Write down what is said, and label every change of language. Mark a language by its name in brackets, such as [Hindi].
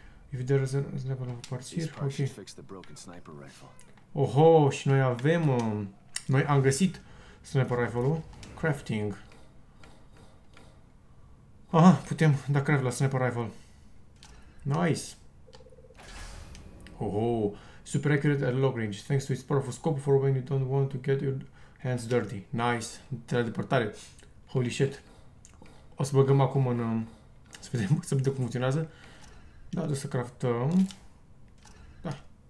[English] If there is a sniper rifle parts here, okay. These parts fix the broken sniper rifle. [Romanian] Oho, și noi avem, noi am găsit sniper rifle-ul. [English] Crafting. [Romanian] Aha, putem da craft la sniper rifle. [English] Nice. Oho, super accurate at long range, thanks to its powerful scope for when you don't want to get your hands dirty. [Romanian] Nice, teledeportare. [English] Holy shit. [Romanian] O să băgăm acum în... Să vedem cum funcționează. Da, o să craftăm. Da.